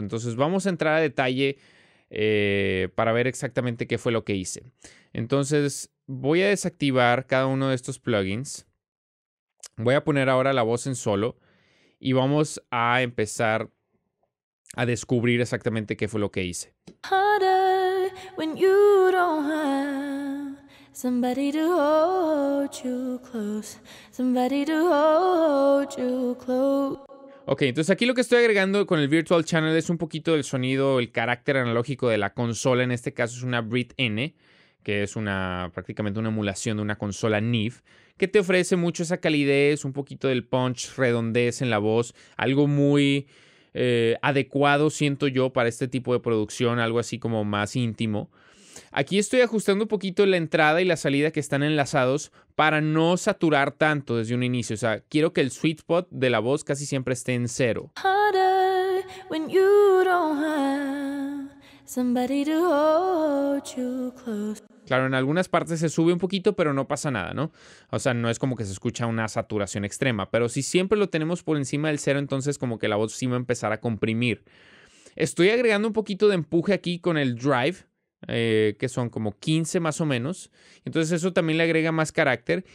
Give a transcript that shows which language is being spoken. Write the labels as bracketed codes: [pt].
[es] Entonces, vamos a entrar a detalle para ver exactamente qué fue lo que hice. Entonces, voy a desactivar cada uno de estos plugins. Voy a poner ahora la voz en solo y vamos a empezar a descubrir exactamente qué fue lo que hice. [en] Harder when you don't have somebody to hold you close, somebody to hold you close. [es] Ok, entonces aquí lo que estoy agregando con el Virtual Channel es un poquito del sonido, el carácter analógico de la consola. En este caso es una Brit N, que es una prácticamente una emulación de una consola NIF, que te ofrece mucho esa calidez, un poquito del punch, redondez en la voz. Algo muy adecuado, siento yo, para este tipo de producción. Algo así como más íntimo. Aquí estoy ajustando un poquito la entrada y la salida que están enlazados para no saturar tanto desde un inicio. O sea, quiero que el sweet spot de la voz casi siempre esté en cero. [en] Harder when you don't have somebody to hold you close. [es] Claro, en algunas partes se sube un poquito, pero no pasa nada, ¿no? O sea, no es como que se escucha una saturación extrema. Pero si siempre lo tenemos por encima del cero, entonces como que la voz sí va a empezar a comprimir. Estoy agregando un poquito de empuje aquí con el drive. que son como 15 más o menos. Entonces eso también le agrega más carácter.